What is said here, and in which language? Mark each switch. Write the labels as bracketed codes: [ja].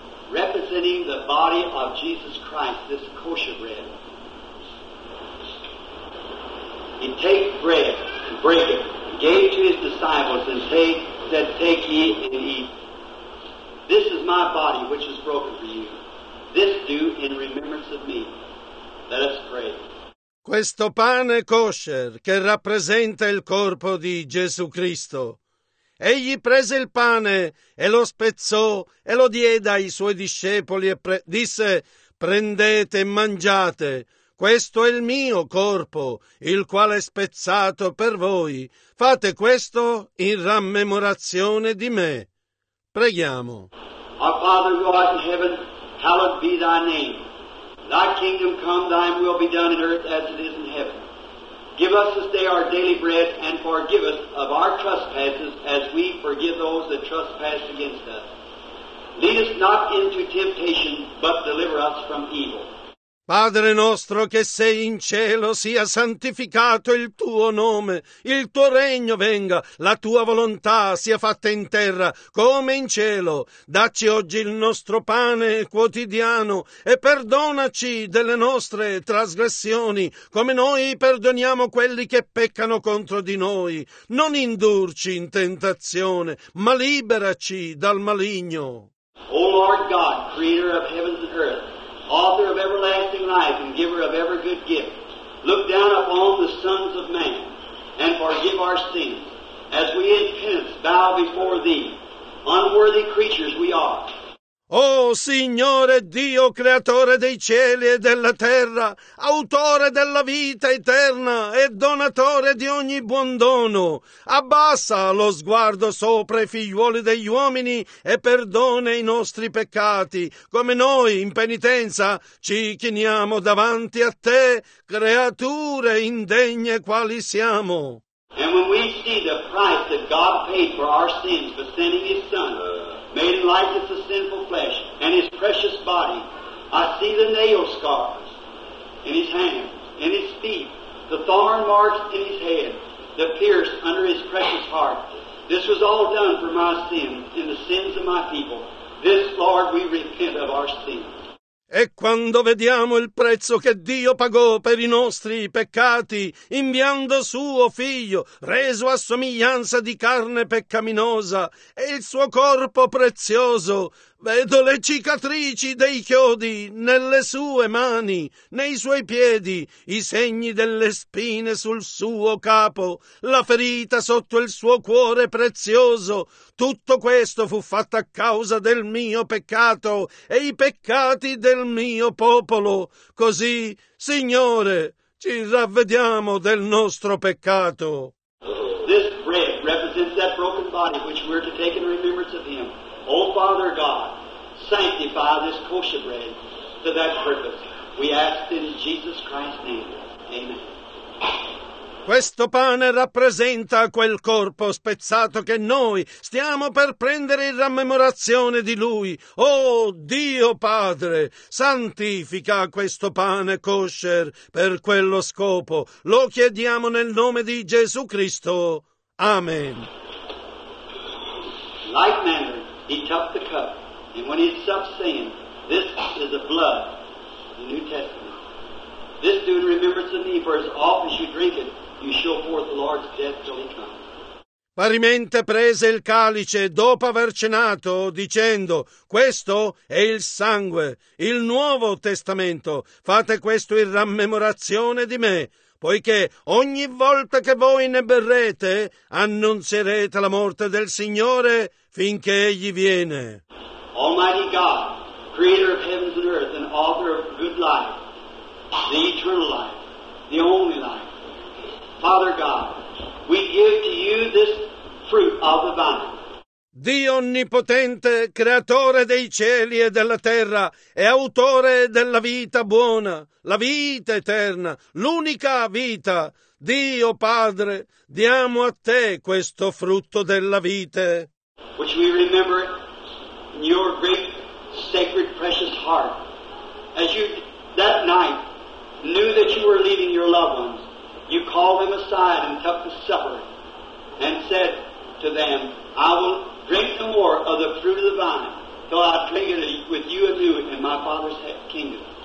[en] Representing the body of Jesus Christ, this kosher bread. He take bread, and break it, and gave it to his disciples, and said, take ye and eat. This is my body which is broken for you. This do in remembrance of me. Let us pray. [it] Questo pane kosher che rappresenta il corpo di Gesù Cristo. Egli prese il pane e lo spezzò e lo diede ai suoi discepoli e disse: prendete e mangiate. Questo è il mio corpo, il quale è spezzato per voi. Fate questo in rammemorazione di me. Preghiamo. [en] Our Father who art in heaven, hallowed be thy name. Thy kingdom come, thy will be done in earth as it is in heaven. Give us this day our daily bread, and forgive us of our trespasses as we forgive those that trespass against us. Lead us not into temptation, but deliver us from evil. [it] Padre nostro che sei in cielo, sia santificato il tuo nome, il tuo regno venga, la tua volontà sia fatta in terra come in cielo. Dacci oggi il nostro pane quotidiano e perdonaci delle nostre trasgressioni, come noi perdoniamo quelli che peccano contro di noi. Non indurci in tentazione, ma liberaci dal maligno. [en] O Lord God, creator of heavens and earth, author of everlasting life and giver of every good gift, look down upon the sons of man and forgive our sins, as we in penance bow before thee. Unworthy creatures we are. [it] Oh Signore Dio, creatore dei cieli e della terra, autore della vita eterna e donatore di ogni buon dono, abbassa lo sguardo sopra i figliuoli degli uomini e perdona i nostri peccati, come noi in penitenza ci chiniamo davanti a te, creature indegne quali siamo. [en] And when we see the price that God paid for our sins by sending his Son, made in likeness of sinful flesh, and his precious body, I see the nail scars in his hands, in his feet, the thorn marks in his head, the pierce under his precious heart. This was all done for my sins, in the sins of my people. This, Lord, we repent of our sins. [it] E quando vediamo il prezzo che Dio pagò per i nostri peccati, inviando suo figlio, reso a somiglianza di carne peccaminosa, e il suo corpo prezioso, vedo le cicatrici dei chiodi nelle sue mani, nei suoi piedi, i segni delle spine sul suo capo, la ferita sotto il suo cuore prezioso. Tutto questo fu fatto a causa del mio peccato e i peccati del mio popolo. Così, Signore, ci ravvediamo del nostro peccato. [en] This bread represents that broken body which we're to take in remembrance of him. O Father God, sanctify this kosher bread for that purpose. We ask in Jesus Christ's name. Amen. [it] Questo pane rappresenta quel corpo spezzato che noi stiamo per prendere in rammemorazione di Lui. Oh Dio Padre, santifica questo pane kosher per quello scopo. Lo chiediamo nel nome di Gesù Cristo. Amen. [en] Like manner, he took the cup, and when he had supped, saying, this is the blood, the New Testament. This do in remembrance of me, for as often as you drink it, you show forth the Lord's death till he comes. [it] Parimente prese il calice dopo aver cenato, dicendo, questo è il sangue, il Nuovo Testamento. Fate questo in rammemorazione di me, poiché ogni volta che voi ne berrete, annunzierete la morte del Signore finché Egli viene. [en] Almighty God, creator of heavens and earth, and author of good life, the eternal life, the only life, Father God, we give to you this fruit of the vine. [it] Dio onnipotente, creatore dei cieli e della terra, e autore della vita buona, la vita eterna, l'unica vita, Dio Padre, diamo a te questo frutto della vite. [en] Which we remember in your great, sacred, precious heart, as you that night knew that you were leaving your loved ones, you called them aside and took the supper and said to them, I will drink no more of the fruit of the vine till I drink it with you anew in my Father's kingdom.